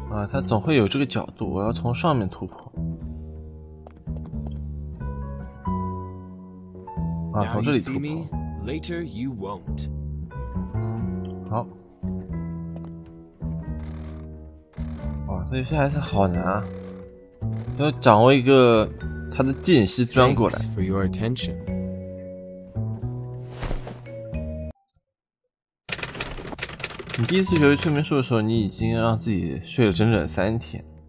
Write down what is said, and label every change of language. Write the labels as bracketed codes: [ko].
[zh] 它总会有这个角度，我要从上面突破。 [en] 从这里突破。 Now you see me, later you won't. [zh] 好。这游戏还是好难要掌握一个。他的剑是钻过来。 For your attention. 你第一次学会催眠术的时候，你已经让自己睡了整整三天。